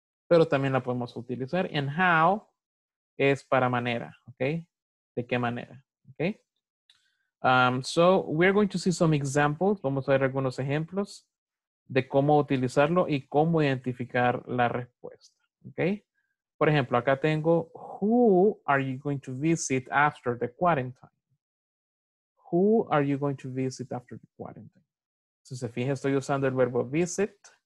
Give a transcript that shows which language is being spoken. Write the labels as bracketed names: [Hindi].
[Spanish] Pero también la podemos utilizar. [English] And how [Spanish] es para manera, okay? De qué manera, [English] okay? So we're going to see some examples. [Spanish] Vamos a ver algunos ejemplos de cómo utilizarlo y cómo identificar la respuesta, okay? Por ejemplo, acá tengo, [English] who are you going to visit after the quarantine? Who are you going to visit after the quarantine? [Spanish] Si se fija, estoy usando el verbo visit.